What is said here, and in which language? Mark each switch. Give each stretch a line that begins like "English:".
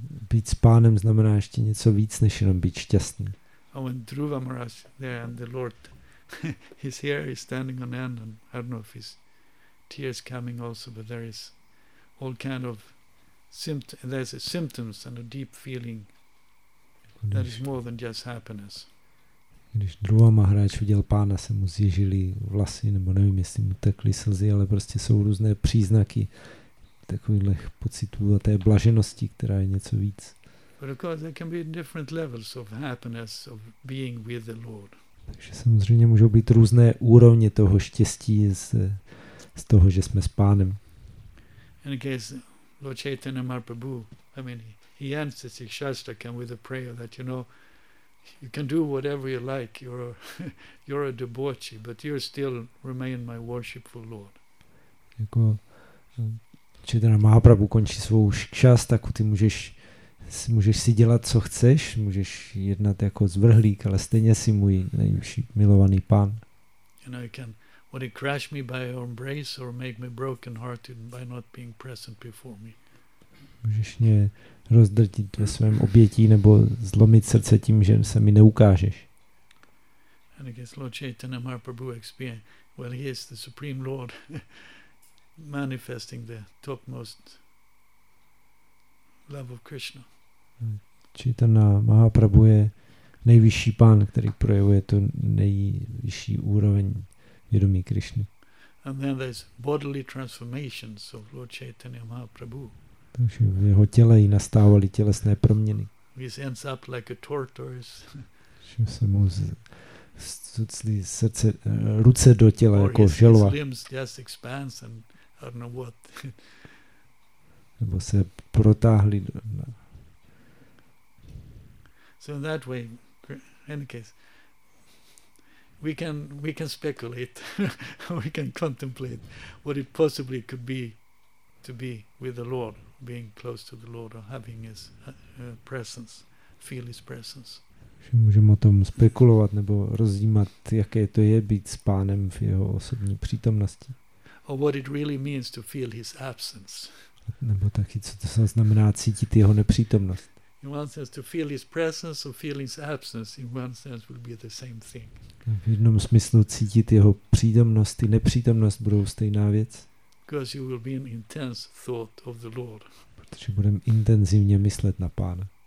Czech: Být s Pánem znamená ještě něco víc než jenom být šťastný.
English: Oh, and Dhruva Maharaj there, and the Lord, his hair is standing on end, and I don't know if his tears coming also, but there is all kind of symptoms and a deep feeling that is more than just happiness.
Czech: Když Dhruva Maharaj viděl Pána, se mu zježily vlasy, nebo nevím, jestli mu tekly slzy, ale prostě jsou různé příznaky takovýhle pocitů a té blaženosti, která je něco víc.
English: But of course there can be different levels of happiness of being with the Lord.
Czech: Takže samozřejmě můžou být různé úrovně toho štěstí z toho, že jsme s Pánem.
English: In case Lord Chaitanya Mahaprabhu, I mean, he answers his Shastakam with a prayer that, you know, you can do whatever you like, you're a debauchee, but you still remain my worshipful Lord.
Czech: Jako Chaitanya Mahaprabhu končí svou Shastaku, ty můžeš si dělat, co chceš, můžeš jednat jako zvrhlík, ale stejně si můj nejvyšší milovaný Pán.
English: You know, you can would it crush me by your embrace or make me broken hearted by not being present before me.
Czech: Můžeš mě rozdrtit ve svém obětí nebo zlomit srdce tím, že se mi neukážeš.
English: And I guess Lord Chaitanya Mahaprabhu experience, well, he is the Supreme Lord manifesting the topmost love of Krishna.
Czech: Chaitanya Mahaprabhu je nejvyšší Pán, který projevuje tu nejvyšší úroveň vědomí Krišny.
English: And then there's bodily transformations of Lord Chaitanya Mahaprabhu.
Czech: Takže v jeho těle i nastávaly tělesné proměny.
English: He ends up like a tortoise.
Czech: Že se mu zcucli srdce, ruce do těla jako želva.
English: His limbs just expands and I don't know what.
Czech: Nebo se protáhli.
English: So in that way, in any case, we can speculate, we can contemplate what it possibly could be to be with the Lord, being close to the Lord or having his presence, feel his presence.
Czech: Že můžeme o tom spekulovat nebo rozjímat, jaké to je být s Pánem v jeho osobní přítomnosti.
English: Or what it really means to feel his absence.
Czech: Nebo taky, co to znamená cítit jeho nepřítomnost.
English: In one sense, to feel his presence or feel his absence, in one sense, will be the same thing.
Czech: V jednom smyslu cítit jeho přítomnost i nepřítomnost budou stejná věc.
English: Because you will be an intense thought of the Lord.
Czech: Protože budeme intenzivně myslet na Pána.